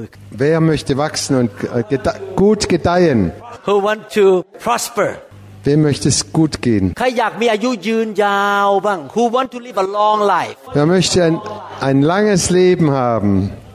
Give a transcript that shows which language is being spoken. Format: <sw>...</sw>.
<de>Wer möchte wachsen und gut gedeihen?</de> <en>Who want to prosper?</en> <de>Wem möchte es gut gehen?</de> <en>Who want to live a long life?</en> <de>Wer möchte ein langes Leben haben?</de>